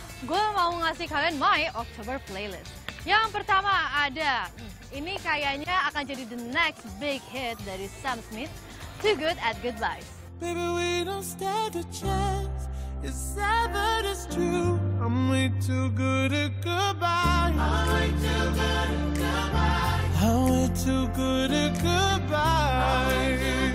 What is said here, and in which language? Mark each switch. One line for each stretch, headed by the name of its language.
Indonesian: gue mau ngasih kalian
English: my October playlist.
Indonesian: Yang pertama ada, ini kayaknya akan jadi
English: the next big hit
Indonesian: dari Sam Smith, Too Good at Goodbyes.
English: Baby, we don't stand a chance. It's ever as true. I'm way too good at goodbyes. I'm way too good at goodbyes. I'm way too good at goodbyes.